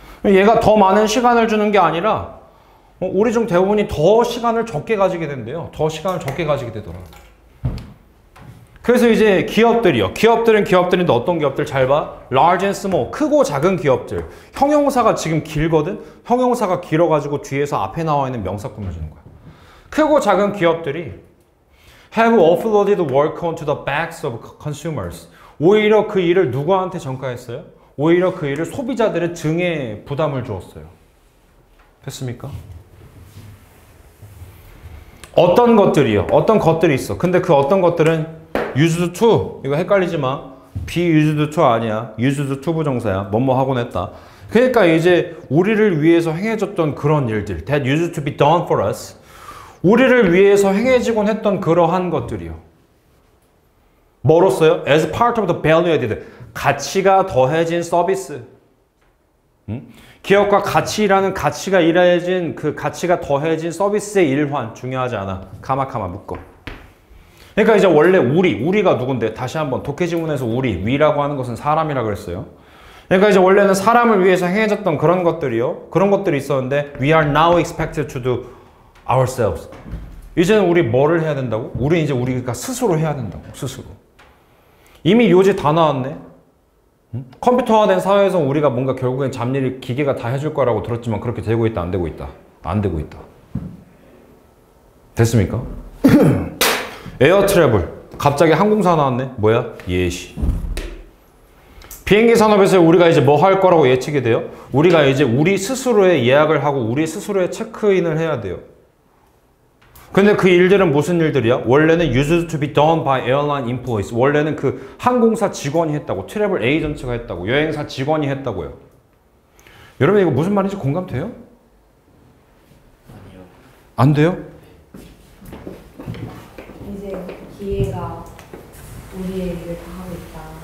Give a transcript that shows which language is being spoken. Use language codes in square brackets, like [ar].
[ko] 얘가 더 많은 시간을 주는 게 아니라, 우리 중 대부분이 더 시간을 적게 가지게 된대요. 더 시간을 적게 가지게 되더라. 그래서 이제 기업들이요. 기업들은 기업들인데 어떤 기업들 잘 봐? [en] Large and small. [ko] 크고 작은 기업들. 형용사가 지금 길거든? 형용사가 길어가지고 뒤에서 앞에 나와 있는 명사 꾸며주는 거야. 크고 작은 기업들이 [en] have offloaded work onto the backs of consumers. [ko] 오히려 그 일을 누구한테 전가했어요? 오히려 그 일을 소비자들의 등에 부담을 주었어요. 됐습니까? 어떤 것들이요? 어떤 것들이 있어? 근데 그 어떤 것들은 used to, 이거 헷갈리지 마. be used to 아니야. used to 부정사야. 뭐뭐 하곤 했다. 그러니까 이제 우리를 위해서 행해졌던 그런 일들, [en] that used to be done for us. [ko] 우리를 위해서 행해지곤 했던 그러한 것들이요. 뭐로써요? [en] as part of the value added. [ko] 가치가 더해진 서비스. 기업과 같이 일하는 가치가 일해진 그 가치가 더해진 서비스의 일환. 중요하지 않아. 카마카마 묶어. 그러니까 이제 원래 우리가 누군데? 다시 한번 독해지문에서 우리, 위라고 하는 것은 사람이라 그랬어요. 그러니까 이제 원래는 사람을 위해서 행해졌던 그런 것들이요. 그런 것들이 있었는데 [en] we are now expected to do ourselves. [ko] 이제는 우리 뭐를 해야 된다고? 우리 이제 우리가 스스로 해야 된다고. 스스로. 이미 요지 다 나왔네. 컴퓨터화된 사회에서 우리가 뭔가 결국엔 잡일을 기계가 다 해줄 거라고 들었지만 그렇게 되고 있다 안 되고 있다. 안 되고 있다. 됐습니까? 에어 트래블. 갑자기 항공사 나왔네. 뭐야? 예시. 비행기 산업에서 우리가 이제 뭐 할 거라고 예측이 돼요? 우리가 이제 우리 스스로의 예약을 하고 우리 스스로의 체크인을 해야 돼요. 근데 그 일들은 무슨 일들이야? 원래는 [en] used to be done by airline employees. [ko] 원래는 그 항공사 직원이 했다고. 트래블 에이전트가 했다고. 여행사 직원이 했다고요. 여러분 이거 무슨 말인지 공감돼요? 아니요. 안 돼요? 이제 기회가 우리의 일을 다 하고 있다.